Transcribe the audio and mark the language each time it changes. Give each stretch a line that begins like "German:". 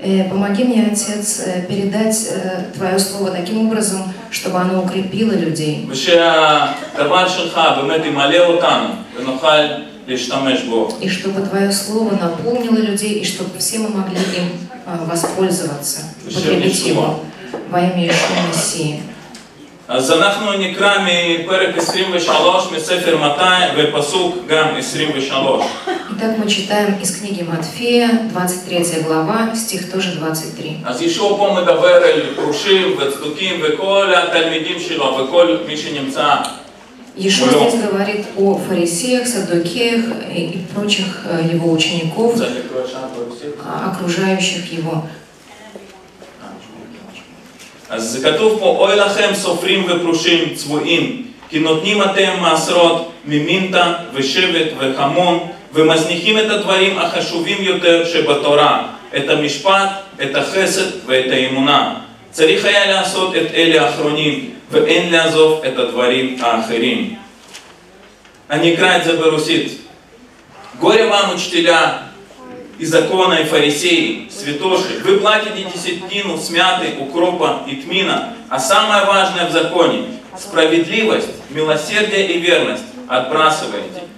Russian: Помоги мне, Отец, передать Твое Слово таким образом, чтобы оно укрепило людей. И чтобы Твое Слово наполнило людей, и чтобы все мы могли им воспользоваться, употребить его во имя Иешуа Мессии.
Hebrew: אז אנחנו נקרא מפרק 23 מספר מתי ופסוק גם 23.
Russian: Итак, мы читаем из книги Матфея, 23 глава, стих тоже 23.
Hebrew: אז ישוע פה מדבר אל פרושים וצדוקים וכל התלמידים שלו וכל מי שנמצא.
Russian: ישוע здесь говорит о фарисеях, садокеях и прочих его учеников, окружающих его.
Hebrew: אז כתוב פה, אוי לכם סופרים ופרושים צבועים, כי נותנים אתם מעשרות ממינטה ושבט וחמון, ומזניחים את הדברים החשובים יותר שבתורה, את המשפט, את החסד ואת האמונה. צריך היה לעשות את אלה האחרונים, ואין לעזוב את הדברים האחרים. אני אקרא את זה ברוסית.
Russian: גורי вам, учителя, и закона, и фарисеи, святоши, вы платите десятину с мяты, укропа и тмина, а самое важное в законе – справедливость, милосердие и верность отбрасываете.